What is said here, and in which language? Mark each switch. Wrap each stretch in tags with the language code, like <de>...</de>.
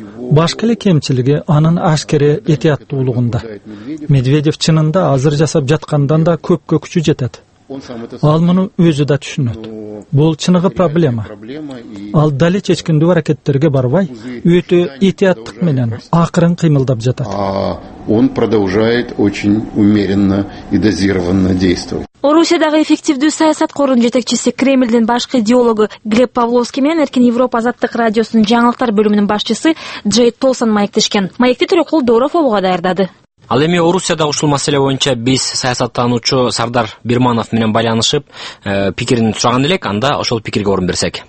<ky>Башка эле кемчилиги анын ашкере этияттуулугунда. Медведев чынында азыр жасап жаткандан да көпкө күчү жетет. Ал муну өзү да түшүнөт. Бул чыныгы проблема. Ал дале чечкиндүү аракеттерге барбай, өтө этияттык менен акырын кыймылдап жатат.</ky> <ru>Он продолжает очень умеренно и дозированно действовать.</ru> <ky>Орусиядагы эффективдүү саясат корунун жетекчиси, Кремлдин башкы идеологу Глеб Павловский менен Эркин Европа Азаттык радиосунун жаңылыктар бөлүмүнүн башчысы Джей Толсон маектешкен. Маекти Төрөкул Доров болууга даярдады. Ал эми Орусияда ушул маселе боюнча биз саясаттануучу Сардар Бирманов менен байланышып пикирин сураган элек, анда ошол пикирге орун берсек.</ky>